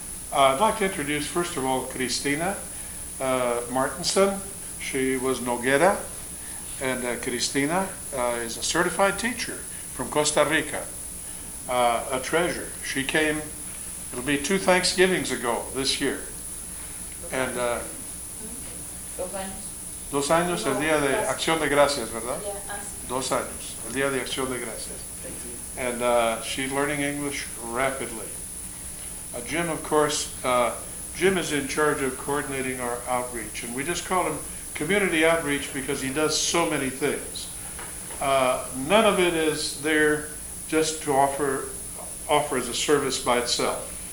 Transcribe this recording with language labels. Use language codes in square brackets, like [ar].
[en] I'd like to introduce, first of all, Cristina Martinson. She was Noguera, and Cristina is a certified teacher from Costa Rica, a treasure. She came, it'll be two Thanksgivings ago this year. And [es] Dos años. Dos años, el día de Acción de Gracias, ¿verdad? [en] Yeah, [es] Dos años, el día de Acción de Gracias. [en] Thank you. And she's learning English rapidly. Jim, of course, Jim is in charge of coordinating our outreach, and we just call him Community Outreach because he does so many things. None of it is there just to offer as a service by itself.